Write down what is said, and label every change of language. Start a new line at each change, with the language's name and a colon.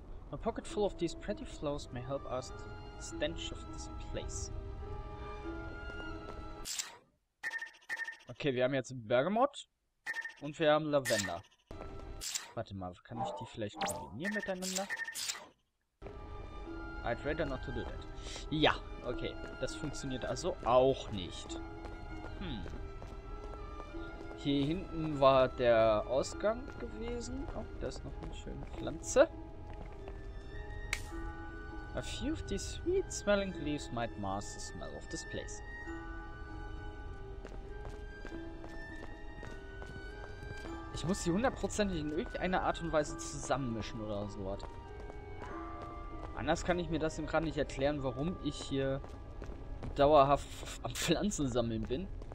English: A pocket full of these pretty flowers may help us the stench of this place.
German: Okay, wir haben jetzt Bergamot und wir haben Lavender. Warte mal, kann ich die vielleicht kombinieren miteinander?
English: I'd rather not to do that.
German: Ja, Okay, das funktioniert also auch nicht. Hier hinten war der Ausgang gewesen. Oh, da ist noch eine schöne Pflanze.
English: A few of these sweet smelling leaves might mask the smell of this place.
German: Ich muss sie hundertprozentig in irgendeiner Art und Weise zusammenmischen oder so was. Anders kann ich mir das gerade nicht erklären, warum ich hier dauerhaft am Pflanzen sammeln bin.